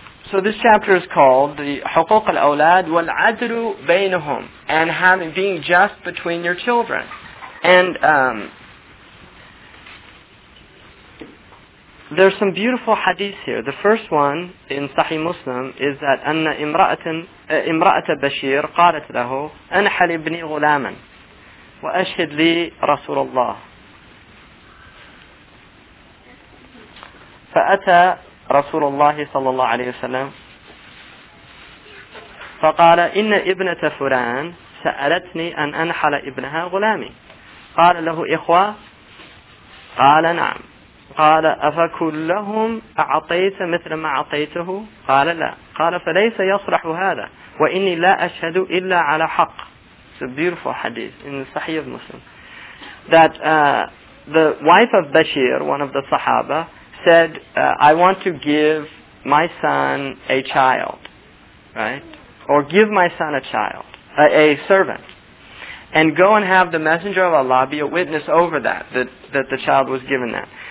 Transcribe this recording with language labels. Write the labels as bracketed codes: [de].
[en] So this chapter is called the [ar] حقوق الأولاد والعدل بينهم, [en] and having being just between your children. And there's some beautiful hadith here. The first one in Sahih Muslim is that [ar] أن امرأة بشير قالت له أنحل ابني غلاما وأشهد لي رسول الله. فأتى رسول الله صلى الله عليه وسلم فقال إن ابنة فلان سألتني أن أنحل ابنها غلامي. قال له إخوة؟ قال نعم. قال أفكلهم أعطيت مثل ما أعطيته؟ قال لا. قال فليس يصرح هذا, وإني لا أشهد إلا على حق. [en] It's a beautiful hadith in the Sahih of Muslim that the wife of Bashir, one of the Sahaba, said, I want to give my son a child, right? Or give my son a child, a servant, and go and have the Messenger of Allah be a witness over that, that the child was given that.